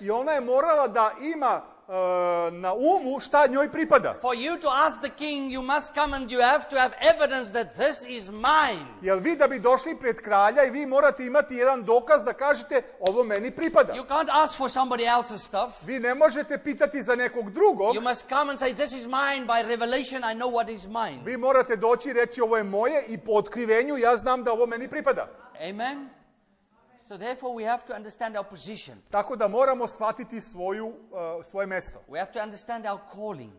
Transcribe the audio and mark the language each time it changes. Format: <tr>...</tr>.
<sr>I ona je morala da ima na umu šta njoj pripada.</sr> <en>For you to ask the king, you must come and you have to have evidence that this is mine.</en> <sr>Jel vi da bi došli pred kralja i vi morate imati jedan dokaz da kažete ovo meni pripada.</sr> <en>You can't ask for somebody else's stuff.</en> <sr>Vi ne možete pitati za nekog drugog.</sr> <en>You must come and say this is mine by revelation, I know what is mine.</en> <sr>Vi morate doći i reći ovo je moje i po otkrivenju ja znam da ovo meni pripada.</sr> <en>Amen. So therefore we have to understand our position.</en> <sr>Tako da moramo shvatiti svoju svoje mjesto.</sr> <en>We have to understand our calling.</en>